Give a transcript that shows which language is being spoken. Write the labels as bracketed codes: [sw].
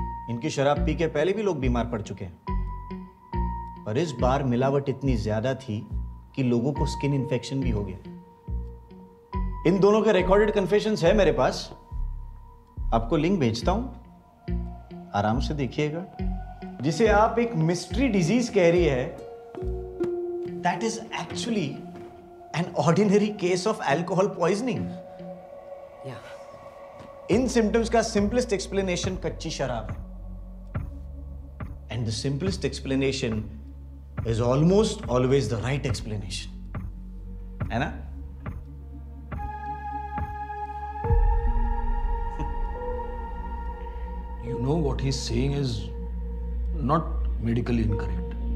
[hi] इनकी शराब पी के पहले भी लोग बीमार पड़ चुके हैं पर इस बार मिलावट इतनी ज्यादा थी कि लोगों को स्किन इंफेक्शन भी हो गया. इन दोनों के रिकॉर्डेड कन्फेशंस है मेरे पास. आपको लिंक भेजता हूं आराम से देखिएगा. जिसे आप एक मिस्ट्री डिजीज कह रही है [en] That is actually an ordinary case of alcohol poisoning. Yeah. In symptoms [hi] का simplest explanation कच्ची शराब है. [en] And the simplest explanation is almost always the right explanation. [hi] है ना? [en] You know what he's saying is not medically incorrect.